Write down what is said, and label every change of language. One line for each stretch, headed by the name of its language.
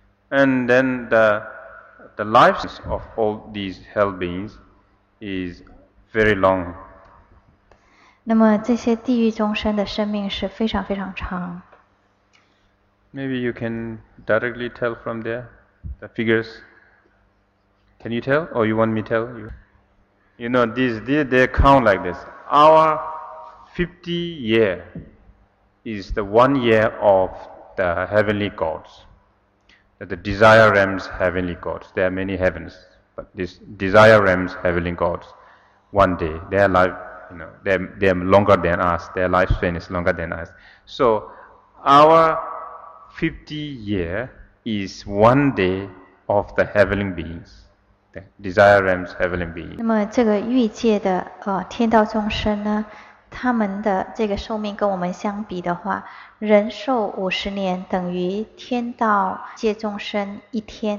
English: And then the life of all these hell beings is very long.
Chinese: 那么这些地狱众生的生命是非常非常长。
English: Maybe you can directly tell from there, the figures. Can you tell, or you want me to tell you? You know, they count like this. Our 50 year is the 1 year of the heavenly gods, the desire realms heavenly gods. There are many heavens, but these desire realms heavenly gods, one day their life, you know, they're longer than us. Their lifespan is longer than us. So our 50 year is one day of the heavenly beings. Desire realms, heavenly beings.
Chinese: 那么这个欲界的天道众生呢，他们的这个寿命跟我们相比的话，人寿五十年等于天道界众生一天。